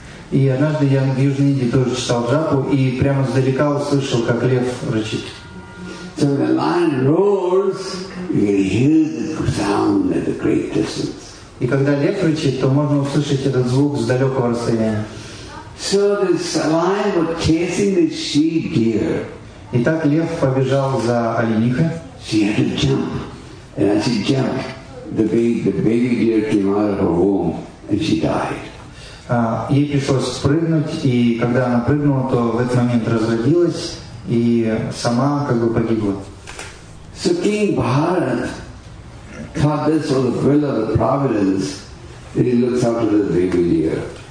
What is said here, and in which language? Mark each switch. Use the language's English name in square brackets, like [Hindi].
[Russian] И однажды я в Южной Индии тоже читал джапу и прямо сдалека услышал, как лев рычит. [English] So the lion roars, you can hear the sound at a great distance. [Russian] И когда лев рычит, то можно услышать этот звук с далекого расстояния. [English] So the lion was chasing the she deer. [Russian] Итак, лев побежал за оленихой. [English] She had to jump, and as she jumped, The baby deer came out of her womb and she died. [Russian] Ей пришлось спрыгнуть, и когда она прыгнула, то в этот момент разродилась и сама как бы погибла. [English] So King Bharat thought this was the will of the providence that he looks after the baby deer.